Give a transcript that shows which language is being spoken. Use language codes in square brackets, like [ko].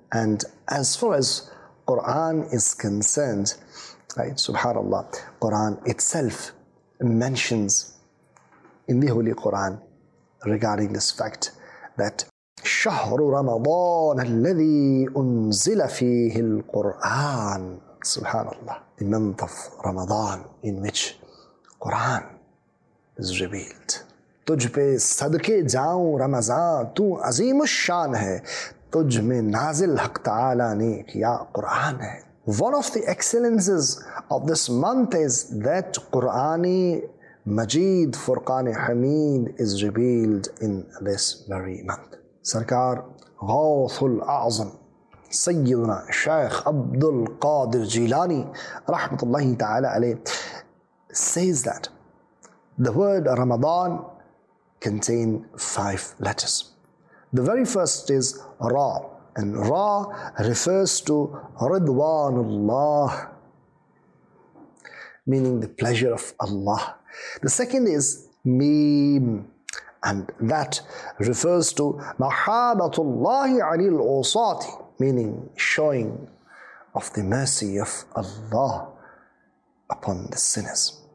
[en] And as far as Quran is concerned, right, subhanallah, Quran itself mentions in the Holy Quran regarding this fact that [ar] شهر رمضان الذي أنزل فيه القرآن, [en] subhanallah, the month of Ramadan in which Quran is revealed. [ur] تجھ پہ صدقے جاؤں رمضان تو عظیم الشان ہے تجھ میں نازل حق تعالی نے کیا قرآن ہے. [en] One of the excellences of this month is that قرآن مجید فرقان حمید is revealed in this very month. [ur] سرکار غوث الاعظم سیدنا شیخ عبد القادر جیلانی رحمت اللہ تعالی علیہ [en] says that the word Ramadan contain five letters. The very first is Ra, and Ra refers to Ridwanullah, meaning the pleasure of Allah. The second is Mim, and that refers to Mahabatullahi anil usati, meaning showing of the mercy of Allah upon the sinners.